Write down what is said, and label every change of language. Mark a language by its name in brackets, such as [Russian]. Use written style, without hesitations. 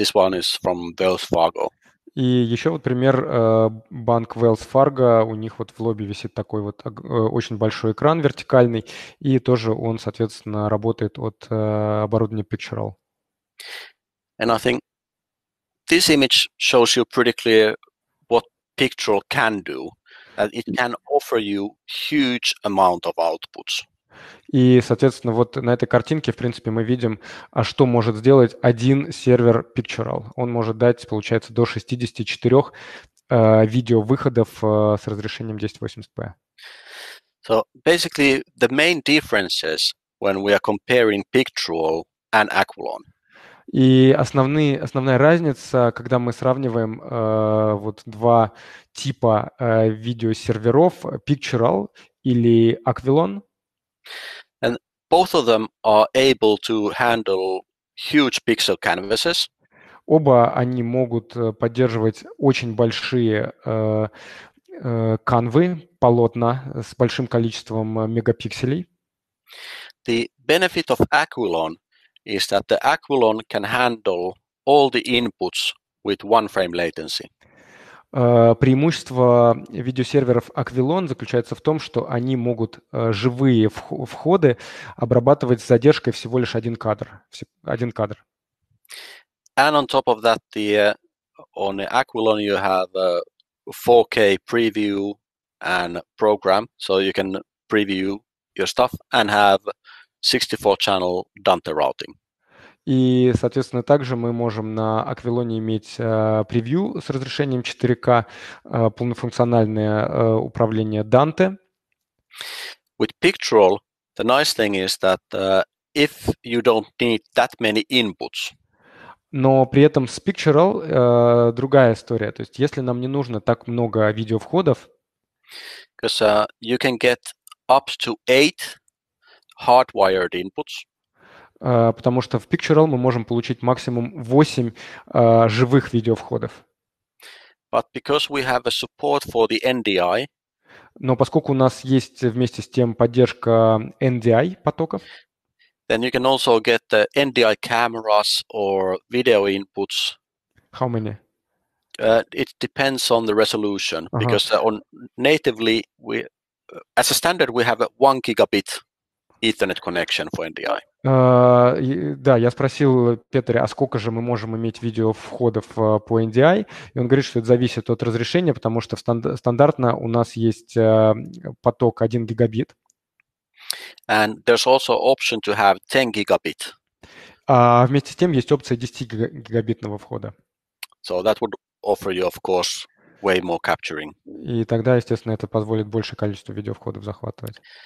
[English] This one is from Wells Fargo. [Russian] И еще вот пример, банк Wells Fargo, у них вот в лобби висит такой вот очень большой экран вертикальный, и тоже он, соответственно, работает от оборудования Picturall. [English] And I think this image shows you pretty clear what Picturall can do, that it can offer you huge amount of outputs. [Russian] И, соответственно, вот на этой картинке, в принципе, мы видим, а что может сделать один сервер Picturall. Он может дать, получается, до 64 видеовыходов с разрешением 1080p. [English] So basically, the main differences when we are comparing Picturall and Aquilon. [Russian] И основная разница, когда мы сравниваем вот два типа видеосерверов, Picturall или Aquilon. [English] And both of them are able to handle huge pixel canvases. [Russian] Оба они могут поддерживать очень большие канвы, полотна с большим количеством мегапикселей. [English] The benefit of Aquilon is that the Aquilon can handle all the inputs with one frame latency. [Russian] Преимущество видеосерверов Aquilon заключается в том, что они могут живые входы обрабатывать с задержкой всего лишь один кадр. [English] And on top of that, on the Aquilon you have a 4K preview and program, so you can preview your stuff and have 64-channel Dante routing. [Russian] И, соответственно, также мы можем на Aquilon иметь превью с разрешением 4K, полнофункциональное управление Dante. [English] With Picturall, the nice thing is that if you don't need that many inputs. [Russian] Но при этом с Picturall другая история. То есть если нам не нужно так много видеовходов, [English] because you can get up to 8 hardwired inputs. [Russian] Потому что в Picturall мы можем получить максимум 8 живых видеовходов. [English] But because we have a support for the NDI, [Russian] но поскольку у нас есть вместе с тем поддержка NDI потоков, [English] then you can also get the NDI cameras or video inputs. How many? It depends on the resolution. Uh-huh. Because on natively, we, as a standard, we have a 1 gigabit Ethernet connection for NDI. [Russian] Да, я спросил Петра, а сколько же мы можем иметь видеовходов по NDI? И он говорит, что это зависит от разрешения, потому что стандартно у нас есть поток 1 гигабит. [English] And there's also option to have 10 gigabit. [Russian] Вместе с тем есть опция 10-гигабитного входа. [English] So that would offer you, of course, way more capturing. [Russian] И тогда, естественно, это позволит большее количество видеовходов захватывать.